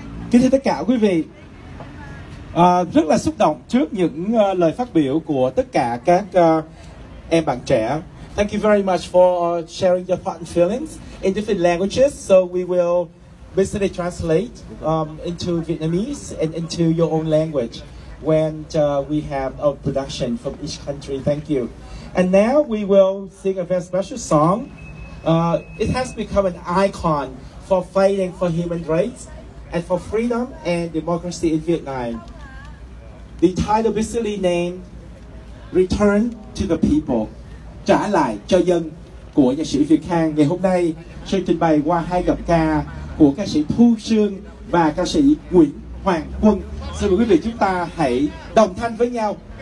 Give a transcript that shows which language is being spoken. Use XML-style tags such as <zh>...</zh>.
<vi>Kính thưa tất cả quý vị, rất là xúc động trước những lời phát biểu của tất cả các em bạn trẻ.</vi> <en>Thank you very much for sharing your thoughts and feelings in different languages. So we will basically translate into Vietnamese and into your own language when we have a production from each country. Thank you. And now we will sing a very special song. It has become an icon for fighting for human rights and for freedom and democracy in Vietnam. The title basically named Return to the People,</en> <vi>Trả lại cho dân, của nhạc sĩ Việt Khang. Ngày hôm nay sẽ trình bày qua hai giọng ca của ca sĩ Thu Sương và ca sĩ Nguyễn Hoàng Quân. Xin mời quý vị chúng ta hãy đồng thanh với nhau.</vi>